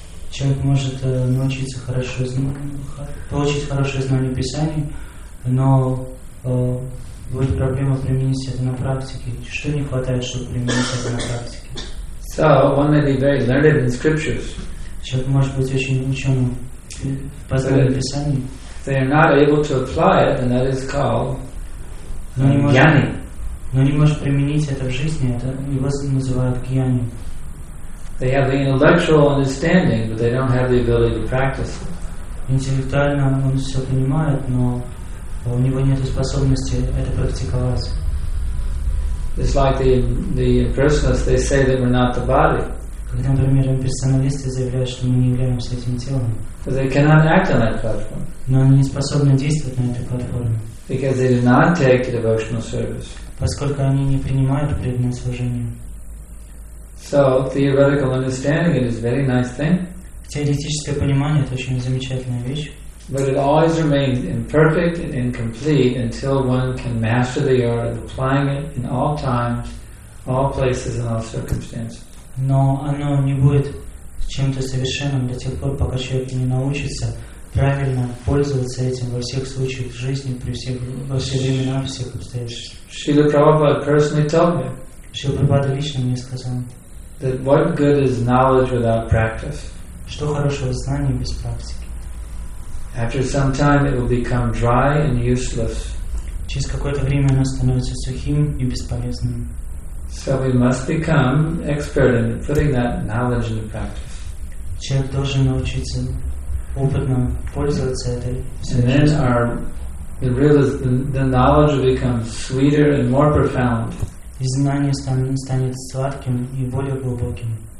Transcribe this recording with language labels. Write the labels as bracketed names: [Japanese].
[Russian] Человек может научиться хорошо получить хорошее знание Писания, но будет проблема применить это на практике. Что не хватает, чтобы применить это на практике? [English] So one may be very learned in scriptures. [Russian] Человек может быть очень ученым в познании Писания. [English] They are not able to apply it, and that is called gyani. [Russian] Но не может применить это в жизни, это его называют гьяни. [English] They have the intellectual understanding, but they don't have the ability to practice. [Russian] Интеллектуально он все понимает, но у него нет способности это практиковать. [English] It's like the impersonalists, they say that we're not the body. [Russian] Когда, например, имперсоналисты заявляют, что мы не являемся этим телом. [English] But they cannot act on that platform. [Russian] Но они не способны действовать на этой платформе. [English] Because they did not take the devotional service. [Russian] Поскольку они не принимают преданное служение. [English] So theoretical understanding it is a very nice thing. [Russian] Теоретическое понимание это очень замечательная вещь. [English] But it always remains imperfect and incomplete until one can master the art of applying it in all times, all places, and all circumstances. [Russian] Но оно не будет чем-то совершенным до тех пор, пока человек не научится правильно пользоваться этим во всех случаях жизни, во все времена, во всех обстоятельствах. [English] Шрила Прабхупада personally told me. [Russian] Шрила Прабхупада лично мне сказал. [English] That what good is knowledge without practice? [Russian] Что хорошего знания без практики? [English] After some time, it will become dry and useless. [Russian] Через какое-то время оно становится сухим и бесполезным. [English] So we must become expert in putting that knowledge into practice. [Russian] Человек должен научиться опытно пользоваться этой. [English] And then the knowledge becomes sweeter and more profound. [Russian] И знание станет сладким и более глубоким.